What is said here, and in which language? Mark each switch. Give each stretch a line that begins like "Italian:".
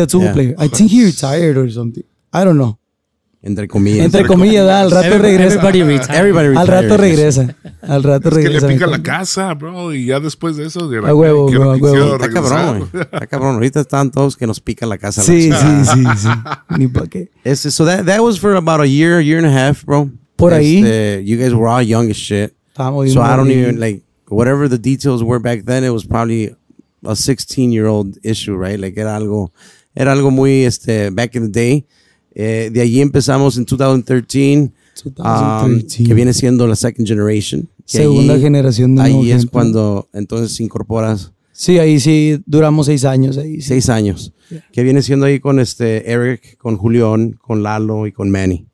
English: He's a tuba player. I think he retired or something. I don't know.
Spanish: Entre comillas, al rato regresa.
English: Everybody
Spanish: al rato regresa. Al rato es regresa. Que le pica la casa, bro. Y ya después de eso. A huevo, bro. A huevo. Está cabrón, güey. Está cabrón. Ahorita están todos que nos pica la casa. Sí. Ni pa' qué.
English: So that was for about a year and a half, bro.
Spanish: Por ahí.
English: You guys were all young as shit. So I don't even, like, whatever the details were back then, it was probably a 16-year-old issue, right? Like,
Spanish: era algo muy,
English: back in the day.
Spanish: De allí empezamos en 2013, que viene siendo la
English: second generation.
Spanish: Segunda allí, generación de ahí es cuando entonces incorporas. Sí, ahí sí duramos 6 años. Ahí, sí. 6 años.
English: Yeah.
Spanish: Que viene siendo ahí con Eric, con Julián, con Lalo y con Manny.